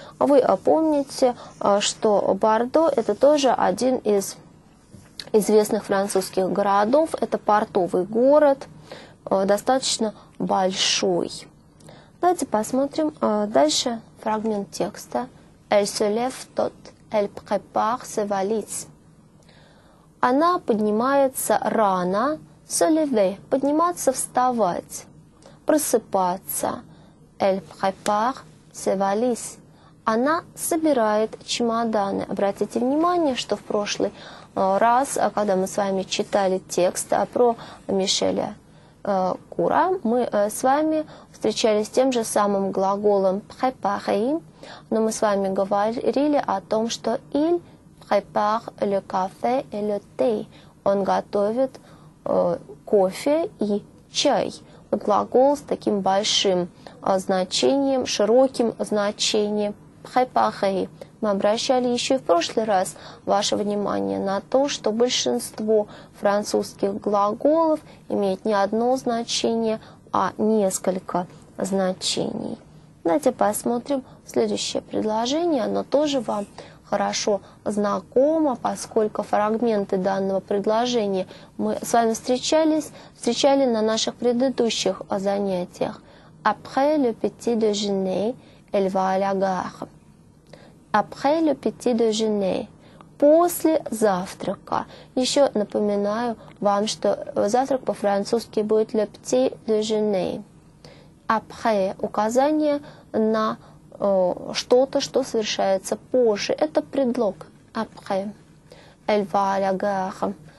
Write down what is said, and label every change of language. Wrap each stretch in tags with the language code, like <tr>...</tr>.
<ru>Вы помните, что Бордо – это тоже один из известных французских городов. Это портовый город, достаточно большой. Давайте посмотрим дальше фрагмент текста.</ru> <fr>«Elle se lève tôt, elle prépare ses valises».</fr> <ru>«Она поднимается рано».</ru> <fr>«Se lever»</fr> <ru>– подниматься, вставать, просыпаться.</ru> <fr>«Elle prépare ses valises» –</fr> <ru>она собирает чемоданы. Обратите внимание, что в прошлый раз, когда мы с вами читали текст про Мишеля Кура, мы с вами встречались с тем же самым глаголом «préparer», но мы с вами говорили о том, что</ru> <fr>«il prépare le café et le thé»</fr> <ru>– он готовит кофе и чай. Вот глагол с таким большим значением, широким значением «préparer». Мы обращали еще и в прошлый раз ваше внимание на то, что большинство французских глаголов имеет не одно значение, а несколько значений. Давайте посмотрим следующее предложение. Оно тоже вам хорошо знакомо, поскольку фрагменты данного предложения мы с вами встречали на наших предыдущих занятиях.</ru> <fr>«Après le petit déjeuner, elle va à la gare». «Après le petit déjeuner» –</fr> <ru>после завтрака. Еще напоминаю вам, что завтрак по-французски будет</ru> <fr>«le petit déjeuner».</fr> <ru>«Après» – указание на что-то, что совершается позже. Это предлог.</ru> <fr>«Après». «Elle va à la gare».</fr>